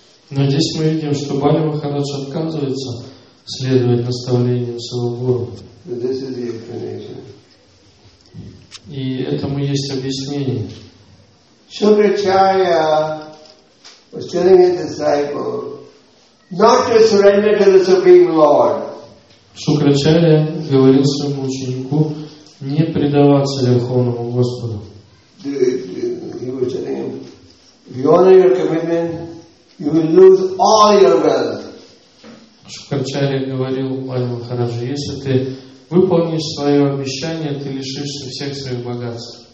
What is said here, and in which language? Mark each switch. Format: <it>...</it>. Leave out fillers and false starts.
<ru>Но здесь мы видим, что Бали Махарадж отказывается следовать наставлениям своего гуру.</ru> <en>This is the explanation.</en> <ru>И этому есть объяснение.</ru> <en>Шукрачарья was telling his disciple not to surrender to the Supreme Lord.</en> <ru>Шукрачарья говорил своему ученику не предаваться Верховному Господу.</ru> <en>He was telling him, if you honor your commitment, you will lose all your wealth.</en> <ru>Шукрачарья говорил Бали Махараджу, если ты выполнишь свое обещание, ты лишишься всех своих богатств.</ru>